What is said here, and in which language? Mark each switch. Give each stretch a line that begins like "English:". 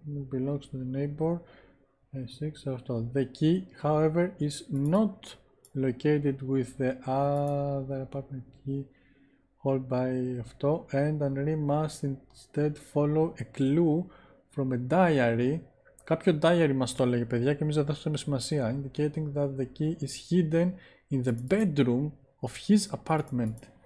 English: Belongs to the neighbor. Six,
Greek: αυτό.
English: The key, however, is not located with the other apartment key hold by αυτό, and Henry must instead follow a clue from a diary.
Greek: Κάποιο diary μας το έλεγε, παιδιά, και εμείς δεν δώσουμε σημασία.
English: Indicating that the key is hidden in the bedroom of his apartment.